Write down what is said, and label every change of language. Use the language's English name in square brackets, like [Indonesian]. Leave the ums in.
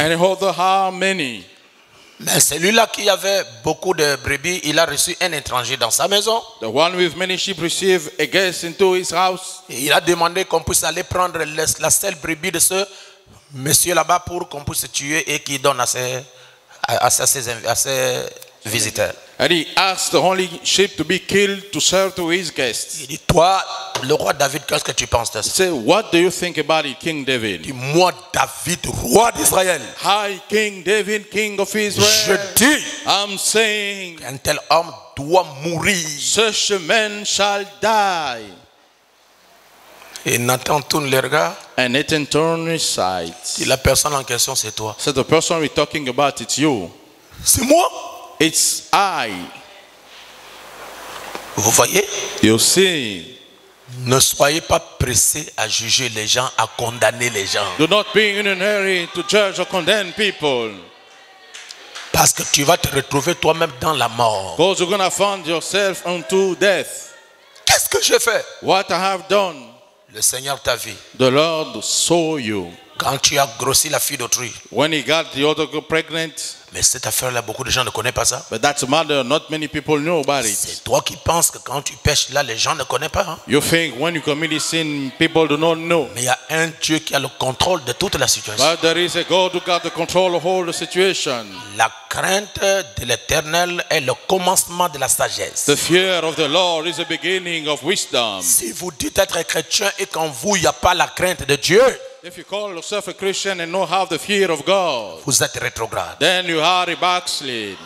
[French] Mais celui-là qui avait beaucoup de brebis, il a reçu un étranger dans sa maison. il a demandé qu'on puisse aller prendre la seule brebis de ce monsieur là-bas pour qu'on puisse tuer et qu'il donne à ses visiteurs. [English] And he asked the only sheep to be killed to serve to his guests. [French] Il toi, le roi David, qu'est-ce que tu penses de ça? [English] Say, what do you think about it, King David? [French] Dit, moi, David, roi d'Israël. [English] Hi, King David, King of Israel. [French] Je dis, [English] I'm saying, [French] un tel homme doit mourir. [English] Such a man shall die. [French] Et Nathan tourne le regards. [English] And Nathan turned his [French] Et la personne en question, c'est toi. [English] So the person we're talking about, it's you. [French] C'est moi. [English] It's I. [French] Vous voyez? [English] You see. [French] Ne soyez pas pressé à juger les gens, à condamner les gens. [English] Do not be in a hurry to judge or condemn people. [French] Parce que tu vas te retrouver toi-même dans la mort. [English] Because you're gonna find yourself unto death. [French] Qu'est-ce que j'ai fait? [English] What I have done? [French] Le Seigneur t'a vu. [English] The Lord saw you. [French] Quand tu as grossi la fille d'autrui. [English] When he got the other pregnant. [French] Mais cette affaire-là, beaucoup de gens ne connaissent pas ça. [English] But matter, not many people know about it. [French] C'est toi qui penses que quand tu pêches là, les gens ne connaissent pas. [English] You think when you commit sin, people do not know. [French] Mais il y a un Dieu qui a le contrôle de toute la situation. [English] is a God who got control of situation. [French] La crainte de l'Éternel est le commencement de la sagesse. [English] The fear of the Lord is the beginning of wisdom. [French] Si vous dites être chrétien et qu'en vous il n'y a pas la crainte de Dieu. [English] If you call yourself a Christian and know how the fear of God, vous that retrograde Then you are a backslid.